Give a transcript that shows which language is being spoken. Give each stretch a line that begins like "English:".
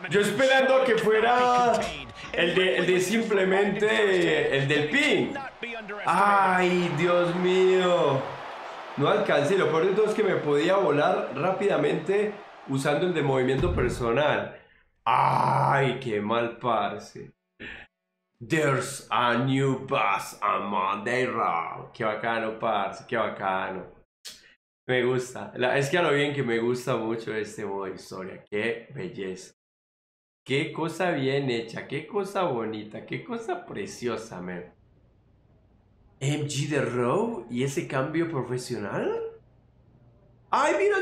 Spanish: Yo esperando que fuera el de simplemente el del pin. ¡Ay, Dios mío! No alcancé, lo peor de todo es que me podía volar rápidamente usando el de movimiento personal. ¡Ay, qué mal, parce!
English: There's a new boss on Monday Raw.
Spanish: ¡Qué bacano, parce! ¡Qué bacano! Me gusta. Es que a lo bien que me gusta mucho este modo de historia. ¡Qué belleza! ¡Qué cosa bien hecha! ¡Qué cosa bonita! ¡Qué cosa preciosa, man! MG de Raw y ese cambio profesional. ¡Ay, mira!